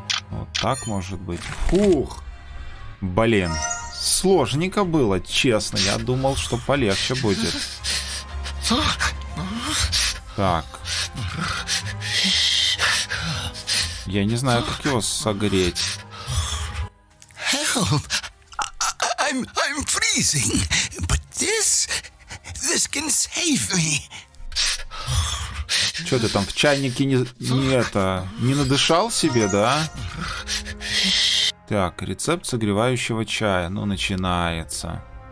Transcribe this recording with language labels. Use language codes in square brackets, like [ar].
[ru] Вот так может быть. Фух! Блин! Сложненько было, честно. Я думал, что полегче будет. Так. Я не знаю, как его согреть. [en] Help! I'm freezing, but this can save me. [ru] Что ты там в чайнике не надышал себе, да? Так, рецепт согревающего чая. Ну, начинается.